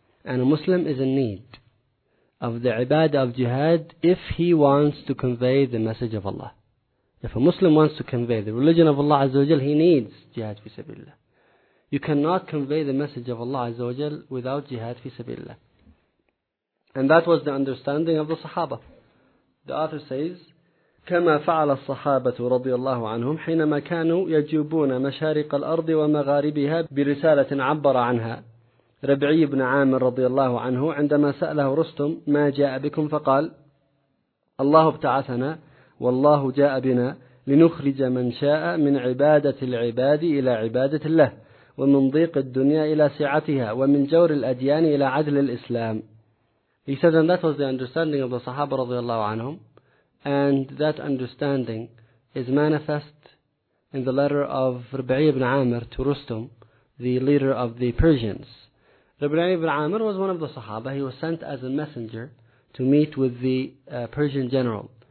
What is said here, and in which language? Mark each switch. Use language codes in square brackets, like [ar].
[en] And a Muslim is in need of the ibadah of jihad if he wants to convey the message of Allah. If a Muslim wants to convey the religion of Allah Azza wa Jal, he needs jihad fi sabilillah. You cannot convey the message of Allah Azza wa Jal without jihad fi sabilillah. And that was the understanding of the Sahaba. The author says, [ar] كما فعل الصحابة رضي الله عنهم حينما كانوا يجوبون مشارق الأرض ومغاربها برسالة عبر عنها. ربعي بن عامر رضي الله عنه عندما سأله رستم ما جاء بكم فقال الله ابتعثنا والله جاء بنا لنخرج من شاء من عبادة العباد إلى عبادة الله ومن ضيق الدنيا إلى سعتها ومن جور الأديان إلى عدل الإسلام. [en] He said, and that was the understanding of the Sahaba [ar] رضي الله عنهم, [en] and that understanding is manifest in the letter of Rabi'i ibn Amr to Rustum, the leader of the Persians. Rabi'i ibn Amr was one of the Sahaba. He was sent as a messenger to meet with the Persian general.